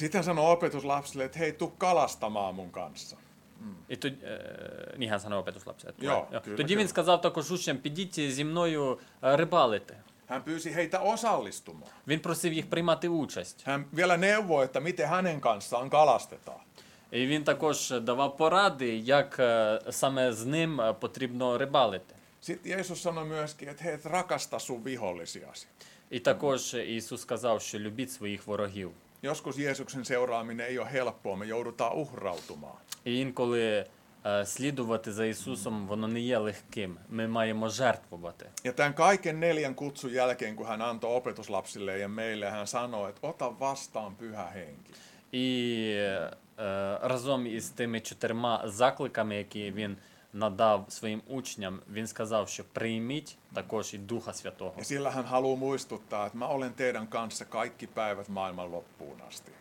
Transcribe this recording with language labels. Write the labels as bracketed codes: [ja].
[fi] Sitten hän sanoi opetuslapsille, että hei, tuu kalastamaan mun kanssa. [uk] І тоді, ні, [fi] hän sanoi opetuslapsille. Joo, kyllä. [uk] Тоді він сказав також учням, підіть зі мною рибалити. [fi] Hän pyysi heitä osallistumaan. [uk] Він просив їх приймати участь. [fi] Hän vielä neuvoi, että miten hänen kanssaan kalastetaan. [uk] І він також давав поради, як саме з ним потрібно рибалити. [fi] Sitten Jeesus sanoi myöskin, että hei, rakasta sun vihollisiasi. [uk] І також Ісус сказав, що любіть своїх ворогів. [fi] Joskus Jeesuksen seuraaminen ei ole helppoa, me joudutaan uhrautumaan. [uk] І інколи слідувати за Ісусом, воно не є легким. Ми маємо жертвувати. [fi] Ja tämän kaiken neljän kutsun jälkeen, kun hän antoi opetuslapsille ja meille, hän sanoi, että ota vastaan pyhä henki. [uk] І разом із тими чотирма закликами, які він надав своїм учням, він сказав, що прийміть також і Духа Святого. [fi] Ja sillä hän haluaa muistuttaa, että mä olen teidän kanssa kaikki päivät maailman loppuun asti.